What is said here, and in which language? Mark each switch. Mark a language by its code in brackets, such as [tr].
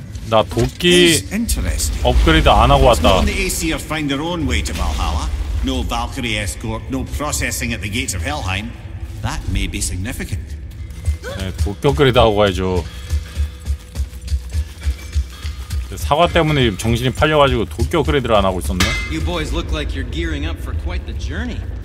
[ko] 나 도끼 업그레이드 안 하고 왔다. [en] The Aesir find their own way to Valhalla. No Valkyrie escort, no processing at the gates of Helheim. That may be significant. [ko] 네, 도끼 업그레이드 하고 가야죠. 사과 때문에 정신이 팔려가지고 도끼 업그레이드를 안 하고 있었네. [en] You boys look like you're gearing up for quite the journey.